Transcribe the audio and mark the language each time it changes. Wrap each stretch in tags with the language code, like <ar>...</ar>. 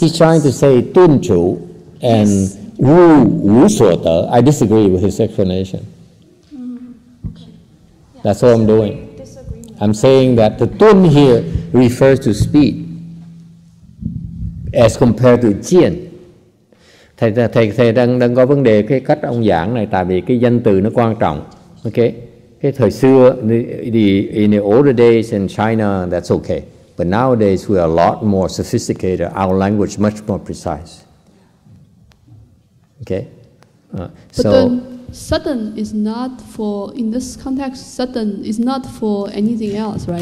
<en>He's trying to say tun chu and wu wu suo de. I disagree with his explanation. That's what I'm doing. I'm saying that the tun here refers to speed as compared to jian.</en> <vi>Thầy đang có vấn đề cái cách ông giảng này, tại vì cái danh từ nó quan trọng.</vi> <en>Okay.</en> <vi>Cái thời xưa,</vi> <en>in the older days in China, that's okay. But nowadays, we are a lot more sophisticated. Our language is much more precise. Okay? But then, sudden is not for, in this context, sudden is not for anything else, right?</en>